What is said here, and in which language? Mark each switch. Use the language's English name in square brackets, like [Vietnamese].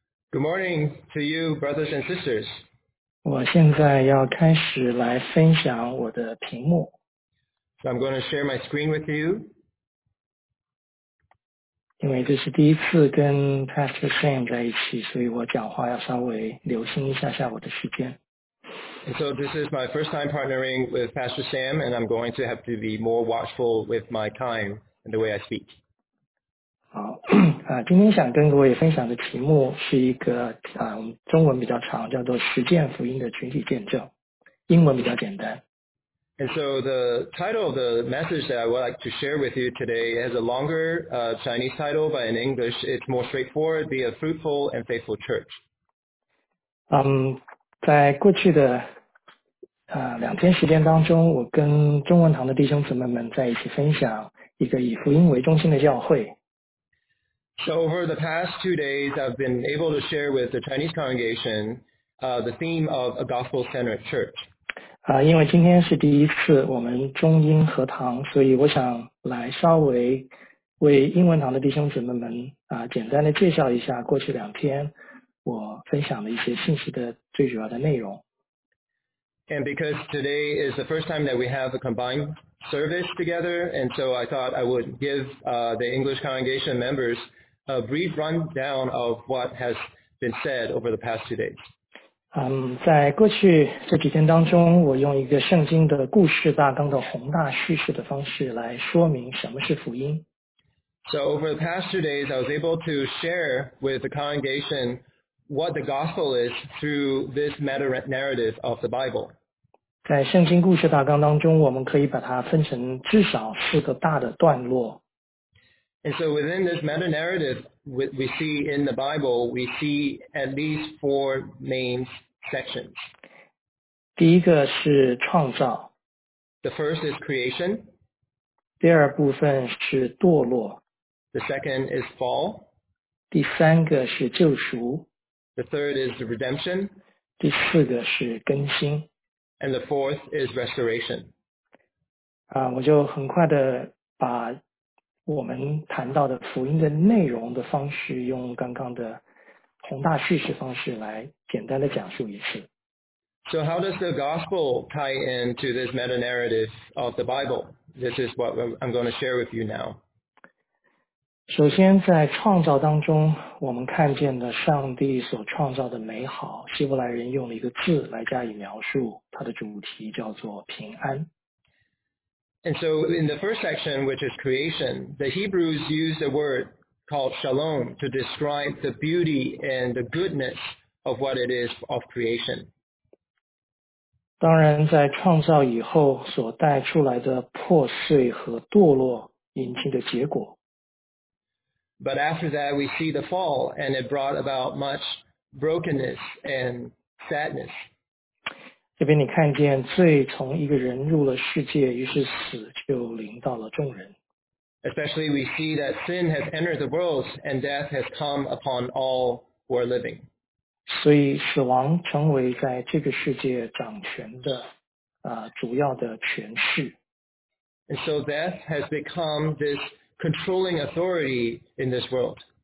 [English] Good morning to you, brothers and sisters. [Chinese] 我现在要开始来分享我的屏幕。 [English] So I'm going to share my screen with you. [Chinese] 因为这是第一次跟 Pastor Sam 在一起，所以我讲话要稍微留心一下下我的时间。 [English] And so this is my first time partnering with Pastor Sam, and I'm going to have to be more watchful with my time and the way I speak. [Chinese] 好，今天想跟各位分享的题目是一个中文比较长，叫做实践福音的群体见证，英文比较简单。 [English] And so the title of the message that I would like to share with you today has a longer Chinese title, but in English it's more straightforward, Be a Fruitful and Faithful Church. [Chinese] 在过去的两天时间当中，我跟中文堂的弟兄姊妹们在一起分享一个以福音为中心的教会。 [English] So over the past 2 days, I've been able to share with the Chinese congregation the theme of a gospel-centered church. [Chinese] 因为今天是第一次我们中英合堂，所以我想来稍微为英文堂的弟兄姊妹们简单的介绍一下过去两天我分享的一些信息的最主要的内容。 [English] And because today is the first time that we have a combined service together, and so I thought I would give the English congregation members a brief rundown of what has been said over the past 2 days. [Chinese] 在过去这几天当中，我用一个圣经的故事大纲的宏大叙事的方式来说明什么是福音。 [English] So over the past 2 days, I was able to share with the congregation what the gospel is through this meta narrative of the Bible. [Chinese] 在圣经故事大纲当中，我们可以把它分成至少四个大的段落。 [English] And so within this meta narrative we see in the Bible, we see at least 4 main sections. [Chinese] 第一个是创造。 [English] The first is creation. [Chinese] 第二部分是堕落。 [English] The second is fall. [Chinese] 第三个是救赎。 [English] The third is redemption. [Chinese] 第四个是更新。 [English] And the fourth is restoration. [Chinese] 我就很快的把我们谈到的福音的内容的方式用刚刚的宏大叙事方式来简单的讲述一次。 [English] So how does the gospel tie into this meta narrative of the Bible? This is what I'm going to share with you now. [Chinese] 首先在创造当中，我们看见的上帝所创造的美好，希伯来人用了一个字来加以描述，它的主题叫做平安。 [English] And so in the first section, which is creation, the Hebrews use a word called shalom to describe the beauty and the goodness of what it is of creation. [Chinese] 当然在创造以后所带出来的破碎和堕落引起的结果。 [English] But after that, we see the fall, and it brought about much brokenness and sadness. [Chinese] 这边你看见罪从一个人入了世界，于是死就临到了众人。 [English] Especially we see that sin has entered the world and death has come upon all who are living. [Chinese] 所以死亡成为在这个世界掌权的主要的权势。 [English] And so death has become this controlling authority in this world.